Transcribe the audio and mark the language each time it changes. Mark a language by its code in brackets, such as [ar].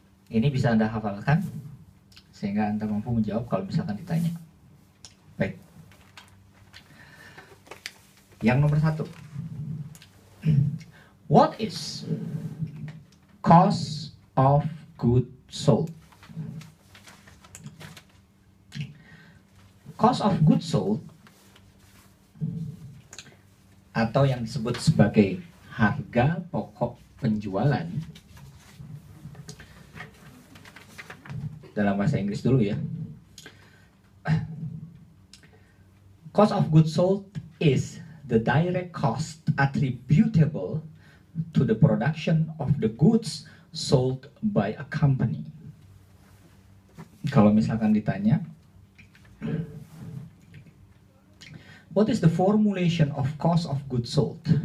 [id] Ini bisa Anda hafalkan sehingga Anda mampu menjawab kalau misalkan ditanya. Baik. Yang nomor satu, [en] what is cost of goods sold? [id] Cost of goods sold atau yang disebut sebagai harga pokok penjualan dalam bahasa Inggris dulu ya. [en] Cost of goods sold is the direct cost attributable to the production of the goods sold by a company. [id] Kalau misalkan ditanya, [en] what is the formulation of cost of goods sold?